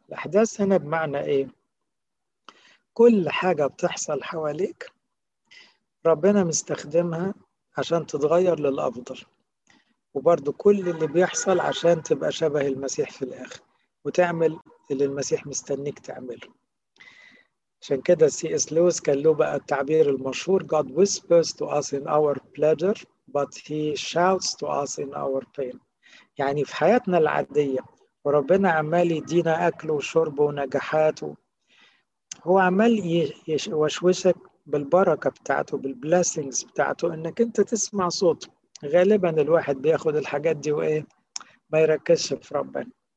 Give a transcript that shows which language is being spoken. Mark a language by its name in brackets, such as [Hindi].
[Arabic] الأحداث هنا بمعنى إيه؟ كل حاجة بتحصل حواليك ربنا مستخدمها عشان تتغير للأفضل، وبرضو كل اللي بيحصل عشان تبقى شبه المسيح في الآخر، وتعمل اللي المسيح مستنيك تعمله. عشان كده سي اس لويس كان له بقى التعبير المشهور، [English] God whispers to us in our pleasure but he shouts to us in our pain. [Arabic] يعني في حياتنا العادية وربنا عمال يدينا أكل وشرب ونجاحات، هو عمال يشوشك بالبركة بتاعته، بالبلاسينجز بتاعته، انك انت تسمع صوته. غالبا الواحد بياخد الحاجات دي وايه، ما يركزش في ربنا.